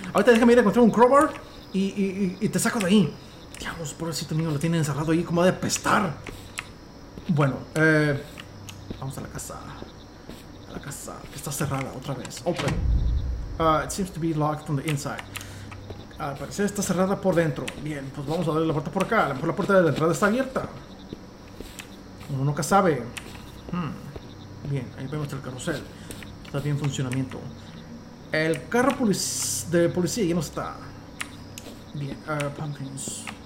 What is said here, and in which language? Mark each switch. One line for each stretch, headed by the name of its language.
Spanish: Ahorita déjame ir a encontrar un crowbar y te saco de ahí. Diablos, pobrecito mío, lo tienen encerrado ahí como de apestar. Bueno, vamos a la casa. A la casa, que está cerrada otra vez.
English: Open. It seems to be locked from the inside.
Spanish: Al parecer está cerrada por dentro. Bien, pues vamos a darle la puerta por acá. A lo mejor la puerta de la entrada está abierta. Uno nunca sabe. Bien, ahí vemos el carrusel. Está bien en funcionamiento. El carro de policía ya no está. Bien, pumpkins.